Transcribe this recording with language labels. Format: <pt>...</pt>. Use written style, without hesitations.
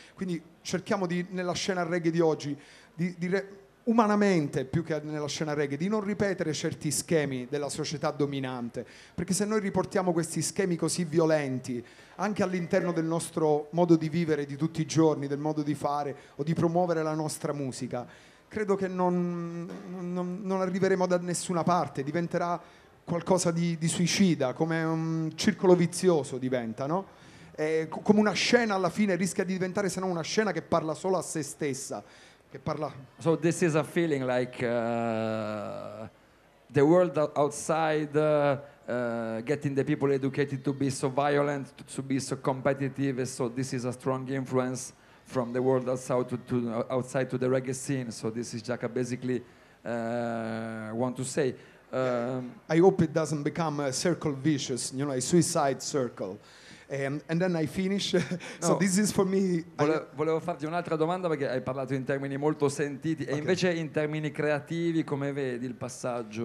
<it>Quindi cerchiamo di nella scena reggae di oggi di dire umanamente, più che nella scena reggae, di non ripetere certi schemi della società dominante, perché se noi riportiamo questi schemi così violenti anche all'interno del nostro modo di vivere di tutti i giorni, del modo di fare o di promuovere la nostra musica, credo che non arriveremo da nessuna parte, diventerà qualcosa di suicida, come un circolo vizioso diventa, no? Come una scena alla fine rischia di diventare, se no una scena che parla solo a se stessa.</it> <en>So this is a feeling like the world outside getting the people educated to be so violent, to be so competitive. So this is a strong influence from the world outside to outside to the reggae scene. So this is Jaka basically want to say. I hope it doesn't become a circle vicious, you know, a suicide circle. And then I finish. So no, this is for me.</en> <it>Volevo farti un'altra domanda, perché hai parlato in termini molto sentiti, okay. E invece in termini creativi come vedi il passaggio?</it>